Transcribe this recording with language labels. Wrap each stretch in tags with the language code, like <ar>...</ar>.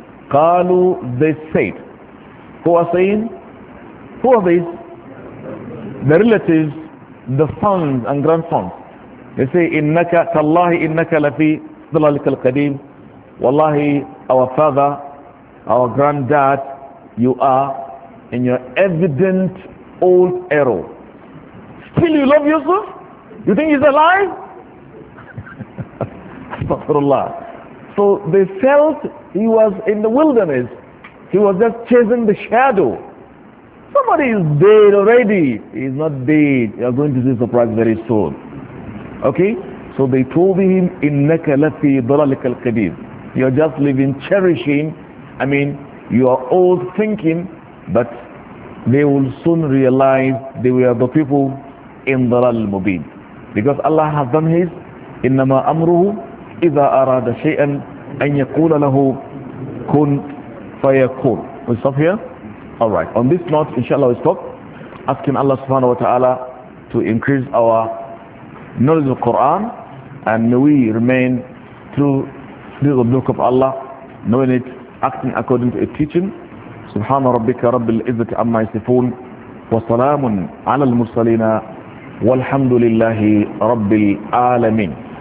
<en>قَالُوا, they said. Who are saying? Who are these? The relatives, the sons and grandsons. They say,</en> <ar>إِنَّكَ تَاللَّهِ إِنَّكَ لَفِي ضَلَالِكَ الْقَدِيمِ.</ar> <en>Wallahi, our father, our granddad, you are in your evident old era. Still you love Yusuf? You think he's alive? Astaghfirullah. So they felt he was in the wilderness. He was just chasing the shadow. Somebody is dead already. He's not dead. You are going to see a surprise very soon. Okay? So they told him,</en> <ar>إِنَّكَ لَفِي ضَلَالِكَ الْقَدِيمِ.</ar> <en>You're just living, cherishing, I mean, you are old thinking, but they will soon realize they were the people in Dalal al-Mubin. Because Allah has done His,</en> <ar>إِنَّمَا أَمْرُهُ إِذَا أَرَادَ شَيْئًا أَنْ يَقُولَ لَهُ كُنْ فَيَكُونَ.</ar> <en>We stop here? Alright, on this note, inshallah we stop. Asking Allah subhanahu wa ta'ala to increase our knowledge of Quran, and may we remain through the book of Allah, knowing it, acting according to its teaching.</en> <ar>سبحان ربك رب العزة عما يصفون وسلام على المرسلين والحمد لله رب العالمين.</ar>